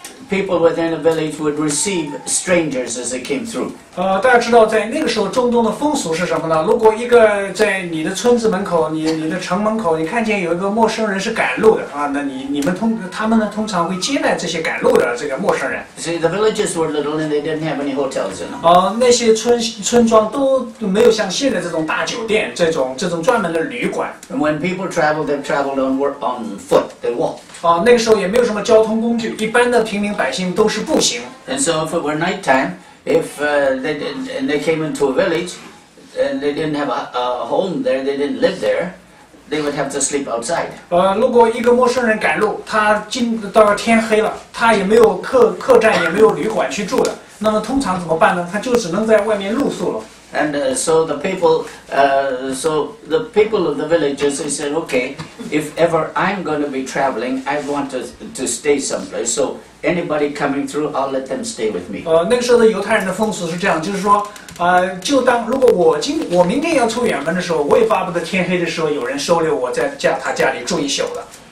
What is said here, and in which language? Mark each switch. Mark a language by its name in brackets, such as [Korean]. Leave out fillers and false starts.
[English] People within a village would receive strangers as they came through. [Chinese] 大家知道在那个时候中东的风俗是什么呢？如果一个在你的村子门口，你的城门口，你看见有一个陌生人是赶路的啊，那他们呢通常会接待这些赶路的这个陌生人。 [English] See, the villages were little and they didn't have any hotels in them. [Chinese] 那些村庄都没有像现在这种大酒店，这种专门的旅馆。 [English] And when people traveled, they traveled on foot. They walked. [Chinese] 那个时候也没有什么交通工具，一般的平民百姓都是步行。 [English] And so if it were night time, if they came into a village, and they didn't have a home there, they didn't live there, they would have to sleep outside. [Chinese] 如果一个陌生人赶路，他进到天黑了，他也没有客栈，也没有旅馆去住的，那么通常怎么办呢？他就只能在外面露宿了。 [English] And so the people of the villages, they said, okay, if ever I'm going to be traveling, I want to stay someplace. So anybody coming through, I'll let them stay with me. [Chinese] 那个时候的犹太人的风俗是这样，就是说，就当如果我明天要出远门的时候，我也巴不得天黑的时候有人收留我在他家里住一宿了。